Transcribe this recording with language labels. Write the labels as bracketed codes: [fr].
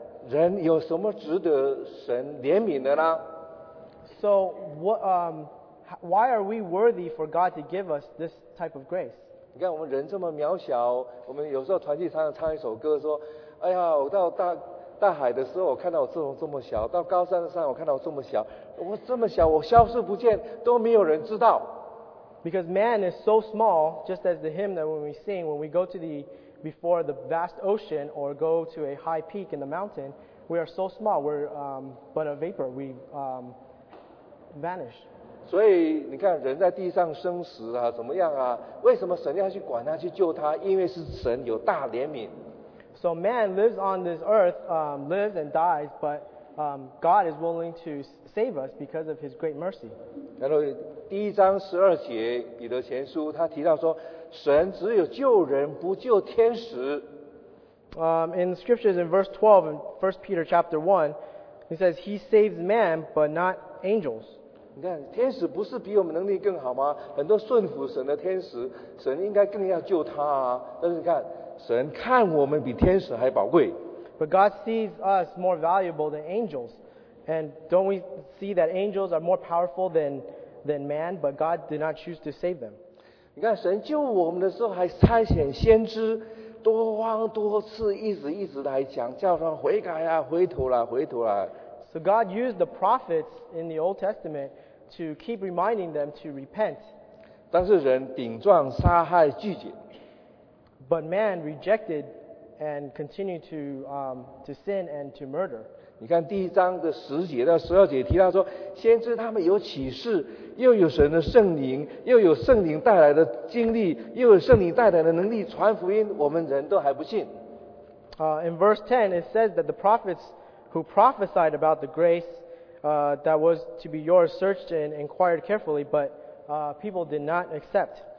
[zh] 人有什么值得神怜悯的呢？ [en] So what, why are we worthy for God to give us this type of grace? [zh] 你看我们人这么渺小，我们有时候团契常常唱一首歌说，哎呀，我到大海的时候，我看到我自从这么小，到高山上我看到我这么小，我这么小，我消失不见，都没有人知道。 [en] Because man is so small, just as the hymn that when we sing, when we go to the before the vast ocean or go to a high peak in the mountain, we are so small, we're but a vapor, we vanish. [zh] 所以你看人在地上生死啊，怎么样啊，为什么神要去管他去救他，因为是神有大怜悯。 [en] So man lives on this earth, lives and dies, but God is willing to save us because of his great mercy. [zh] 然后第一章十二节彼得前书他提到说神只有救人不救天使。 [en] In the scriptures in verse 12 in 1 Peter chapter 1, it says he saves man but not angels. [zh] 你看天使不是比我们能力更好吗？很多顺服神的天使，神应该更要救他啊。但是你看神看我们比天使还宝贵。 [en] But God sees us more valuable than angels. And don't we see that angels are more powerful than man, but God did not choose to save them. [zh] 你看神救我们的时候还差遣先知多方多次一直一直来讲，叫他悔改啊，回头啦，回头啦。 [en] So God used the prophets in the Old Testament to keep reminding them to repent. [zh] 但是人顶撞杀害拒绝。 [en] But man rejected and continue to sin and to murder. [zh] 你看第一章的十节到十二节提到说，先知他们有启示，又有神的圣灵，又有圣灵带来的经历，又有圣灵带来的能力传福音，我们人都还不信。 [en] In verse 10, it says that the prophets who prophesied about the grace that was to be yours searched and inquired carefully, but people did not accept.